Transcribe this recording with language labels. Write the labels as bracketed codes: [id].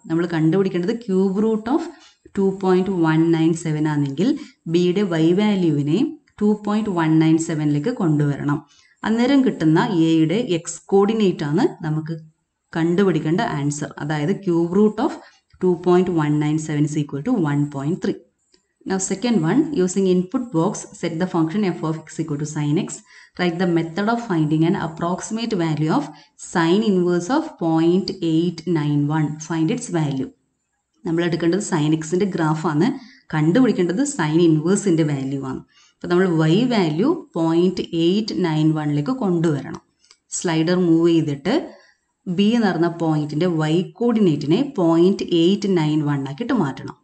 [ml] നമ്മൾ കണ്ടുപിടിക്കേണ്ടത് cube root of 2.197 ആണെങ്കിൽ ബിയുടെ വൈ വാല്യൂവിനെ 2.197 കൊണ്ടുവരണം. അന്നേരം കിട്ടുന്ന എയുടെ എക്സ് കോർഡിനേറ്റാണ് നമുക്ക് കണ്ടുപിടിക്കേണ്ട ആൻസർ. [en] അതായത് cube root of 2.197 is equal to 1.3. Now second one, using input box, set the function f of x equal to sin x. Write the method of finding an approximate value of sin inverse of 0.891. Find its value. [ml] നമ്മൾ എടുക്കേണ്ടത് sign എക്സിൻ്റെ ഗ്രാഫാണ്, കണ്ടുപിടിക്കേണ്ടത് sign ഇൻവേഴ്സിൻ്റെ value ആണ്. അപ്പോൾ നമ്മൾ Y value 0.891 കൊണ്ടുവരണം. Slider move ചെയ്തിട്ട് B നടന്ന പോയിന്റിൻ്റെ വൈ കോർഡിനേറ്റിനെ 0.891 മാറ്റണം.